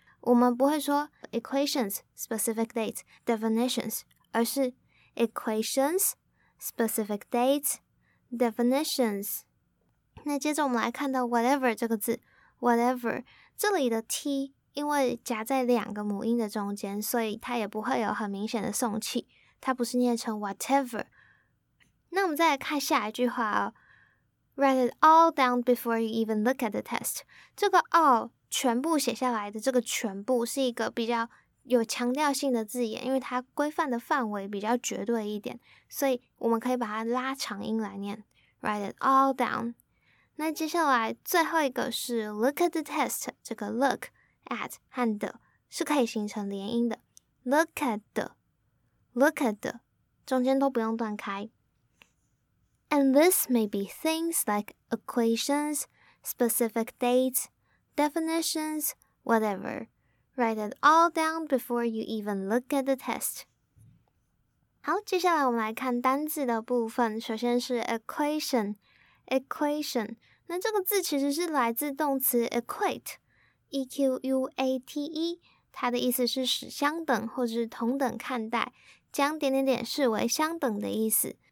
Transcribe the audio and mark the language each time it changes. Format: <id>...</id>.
<zh>我们不会说</zh> <en>equations, specific dates, definitions,</en> <zh>而是 equations, specific dates, definitions。那接着我们来看到 whatever 这个字 ，whatever 这里的 t 因为夹在两个母音的中间，所以它也不会有很明显的送气，它不是念成 whatever。那我们再来看下一句话哦。</zh> <en>Write it all down before you even look at the test.</en> <zh>这个 all 全部写下来的这个全部是一个比较有强调性的字眼，因为它规范的范围比较绝对一点，所以我们可以把它拉长音来念。</zh> <en>Write it all down.</en> <zh>那接下来最后一个是</zh> <en>look at the test.</en> <zh>这个 look at 和 the 是可以形成连音的。</zh> <en>Look at the, look at the,</en> <zh>中间都不用断开。</zh> <en>And this may be things like equations, specific dates, definitions, whatever. Write it all down before you even look at the test.</en> <zh>好，接下来我们来看单字的部分。首先是 equation, equation. 那这个字其实是来自动词 equate, E-Q-U-A-T-E. 它的意思是使相等或是同等看待，将点点点视为相等的意思。</zh>